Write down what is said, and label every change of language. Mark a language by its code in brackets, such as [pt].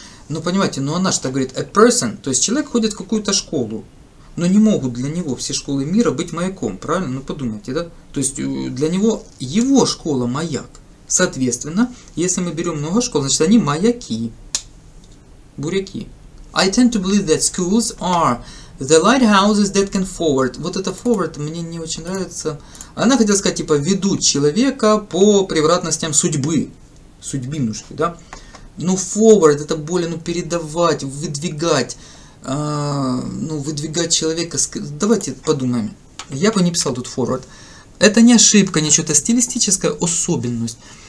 [ru] Ну, понимаете, ну она же так говорит, a person, то есть человек ходит в какую-то школу, но не могут для него все школы мира быть маяком, правильно? Ну, подумайте, да? То есть для него его школа маяк. Соответственно, если мы берем много школ, значит, они маяки, буряки. [en] I tend to believe that schools are the lighthouses that can forward. [ru] Вот это forward мне не очень нравится. Она хотела сказать, типа, ведут человека по превратностям судьбы. Судьбинушки, да? Ну, forward это более, ну, передавать, выдвигать. Ну, выдвигать человека. Давайте подумаем. Я бы не писал тут forward. Это не ошибка, не что-то стилистическая особенность.